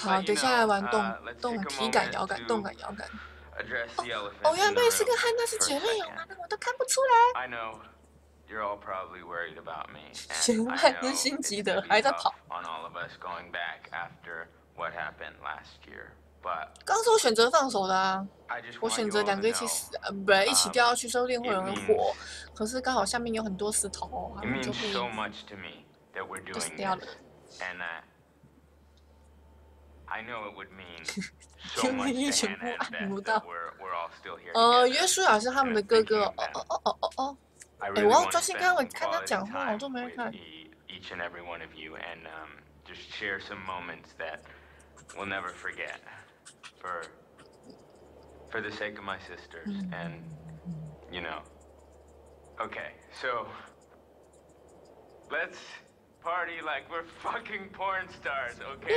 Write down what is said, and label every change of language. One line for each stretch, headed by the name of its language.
Chinese: 好，等下来玩动体感摇感，动感摇感。
English: Address the elephant.
Chinese: 哦，原来是跟汉娜是姐妹，我都看不出来。
English: I know you're all probably worried about me.
Chinese: 嫌汉娜心急的还在跑。
English: On all of us going back after what happened last year, but
Chinese: 刚是我选择放手的啊，我选择两个一起死，不，一起掉下去，说不定会有人活。可是刚好下面有很多石头，他们就会就死掉了。
English: And I know it would mean so much to Hannah that we're all still here.
Chinese: 约书亚是他们的哥哥。哦，我要专心看他讲话，我都没看。
English: Each and every one of you, and just share some moments that we'll never forget. For the sake of my sisters, and you know. Okay, so let's party like we're fucking porn stars, okay?